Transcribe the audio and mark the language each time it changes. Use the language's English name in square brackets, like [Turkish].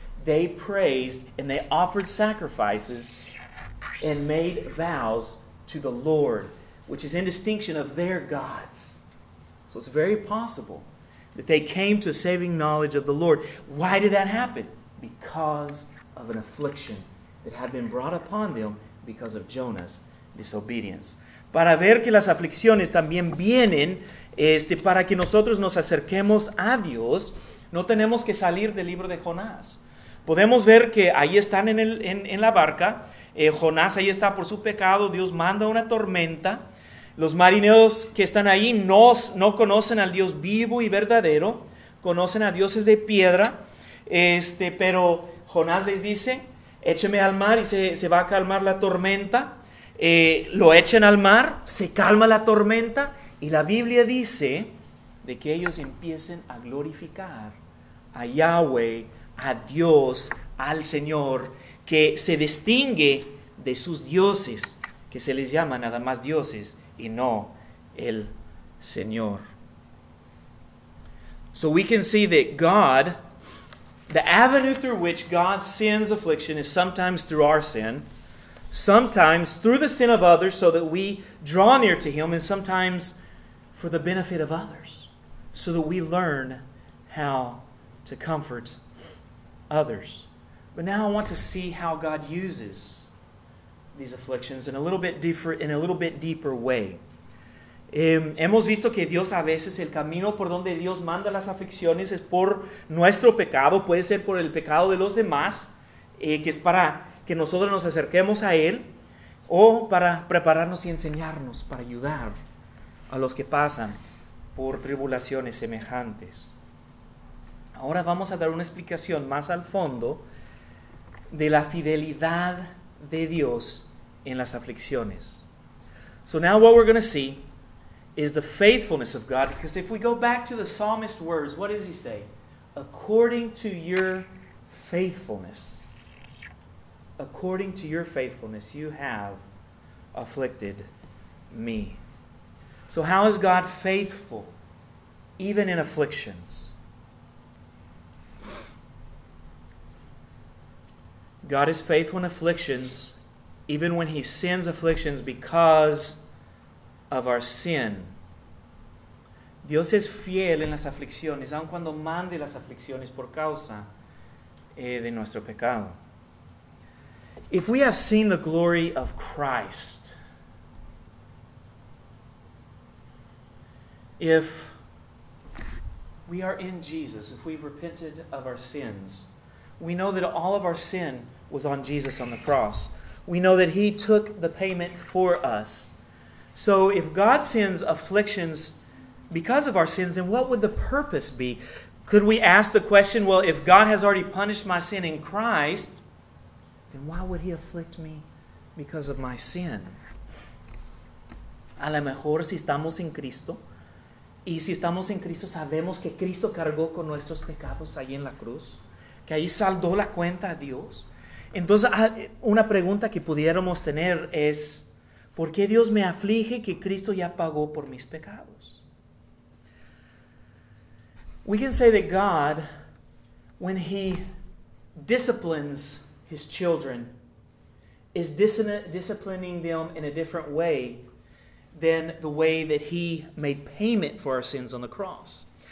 [English] They praised and they offered sacrifices and made vows to the Lord, which is in distinction of their gods. So it's very possible that they came to a saving knowledge of the Lord. Why did that happen? Because of an affliction that had been brought upon them because of Jonah's disobedience. [Spanish] Para ver que las aflicciones también vienen, para que nosotros nos acerquemos a Dios, no tenemos que salir del libro de Jonás. Podemos ver que ahí están en la barca, Jonás ahí está por su pecado, Dios manda una tormenta, los marineros que están ahí no conocen al Dios vivo y verdadero, conocen a dioses de piedra, pero Jonás les dice, écheme al mar y se va a calmar la tormenta, lo echan al mar, se calma la tormenta, y la Biblia dice de que ellos empiecen a glorificar a Yahweh, a Dios, al Señor, que se distingue de sus dioses, que se les llama nada más dioses y no el Señor. [English] So we can see that God, the avenue through which God sends affliction is sometimes through our sin, sometimes through the sin of others so that we draw near to Him, and sometimes for the benefit of others so that we learn how to comfort others. But now I want to see how God uses these afflictions in a little bit different, in a little bit deeper way. [Spanish] Hemos visto que Dios a veces, el camino por donde Dios manda las aflicciones es por nuestro pecado, puede ser por el pecado de los demás, que es para que nosotros nos acerquemos a Él, o para prepararnos y enseñarnos, para ayudar a los que pasan por tribulaciones semejantes. Ahora vamos a dar una explicación más al fondo de la fidelidad de Dios en las aflicciones. [English] So now what we're going to see is the faithfulness of God. Because if we go back to the psalmist's words, what does he say? According to your faithfulness. According to your faithfulness, you have afflicted me. So how is God faithful, even in afflictions? God is faithful in afflictions, even when He sends afflictions because of our sin. [Spanish] Dios es fiel en las aflicciones, aun cuando mande las aflicciones por causa de nuestro pecado. [English] If we have seen the glory of Christ, if we are in Jesus, if we've repented of our sins, we know that all of our sin was on Jesus on the cross. We know that He took the payment for us. So if God sends afflictions because of our sins, then what would the purpose be? Could we ask the question, well, if God has already punished my sin in Christ, then why would He afflict me because of my sin? [Spanish] A lo mejor si estamos en Cristo, y si estamos en Cristo, sabemos que Cristo cargó con nuestros pecados ahí en la cruz, que ahí saldó la cuenta a Dios. Entonces, una pregunta que pudiéramos tener es, ¿por qué Dios me aflige que Cristo ya pagó por mis pecados? [English] We can say that God, when He disciplines His children, is disciplining them in a different way than the way that He made payment for our sins on the cross.